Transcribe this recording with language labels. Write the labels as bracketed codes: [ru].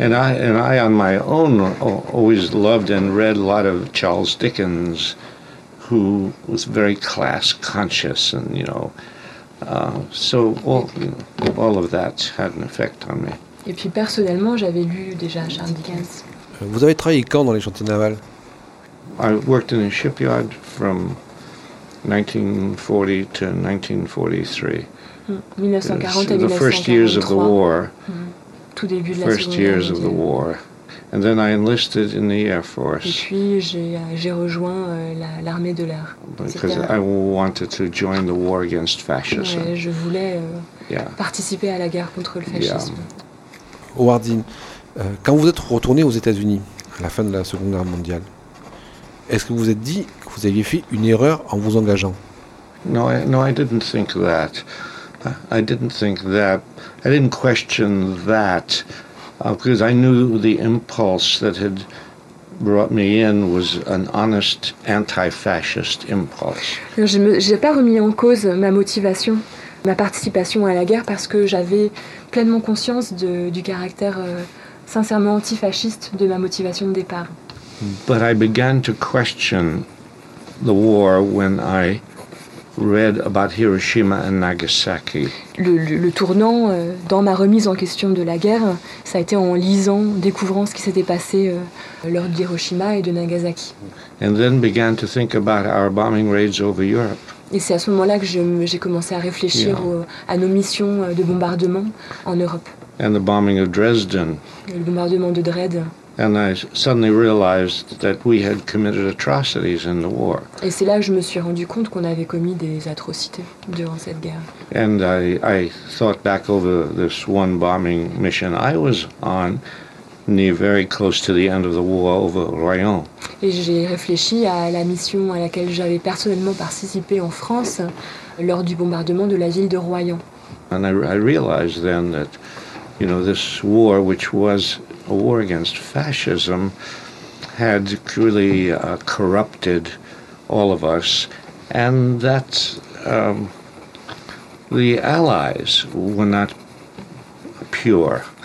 [en] And I on my own always loved and read a lot of Charles Dickens, who was very class conscious, and you know, so all of that had an effect on me. [fr] Et puis personnellement, j'avais lu déjà Charles Dickens. Vous avez travaillé quand dans les chantiers navals? [en] I worked in a shipyard from 1940 to 1943. 1940 the first years of the war. [fr] Tout début de la Seconde Guerre. [en] First years of the war. And then I enlisted in the Air Force. [fr] Et puis j'ai rejoint l'armée de l'air. [en] Because I wanted to join the war against fascism. [fr] Ouais, je voulais participer à la guerre contre le fascisme. Howard Dean, quand vous êtes retourné aux États-Unis à la fin de la Seconde Guerre mondiale, est-ce que vous vous êtes dit que vous aviez fait une erreur en vous engageant? [en] No, I didn't think that. I didn't think that. I didn't question that. Because I knew the impulse that had brought me in was an honest anti-fascist impulse. [fr] J'ai pas remis en cause ma motivation, ma participation à la guerre, parce que j'avais pleinement conscience du caractère sincèrement antifasciste de ma motivation de départ. [en] But I began to question the war when I read about Hiroshima and Nagasaki. [fr] Le tournant dans ma remise en question de la guerre, ça a été en lisant, découvrant ce qui s'était passé lors d'Hiroshima et de Nagasaki. [en] And then began to think about our bombing raids over Europe. [fr] Et c'est à ce moment-là que j'ai commencé à réfléchir à nos missions de bombardement en Europe. [en] And the bombing of Dresden. [fr] Le bombardement de Dresde. [en] And I suddenly realized that we had committed atrocities in the war. [fr] Et c'est là que je me suis rendu compte qu'on avait commis des atrocités durant cette guerre. [en] And I thought back over this one bombing mission I was on near very close to the end of the war over Royan. [fr] Et j'ai réfléchi à la mission à laquelle j'avais personnellement participé en France lors du bombardement de la ville de Royan. [en] And I realized then that, you know, this war, which was a war against fascism, had truly corrupted all of us, and that the Allies were not pure.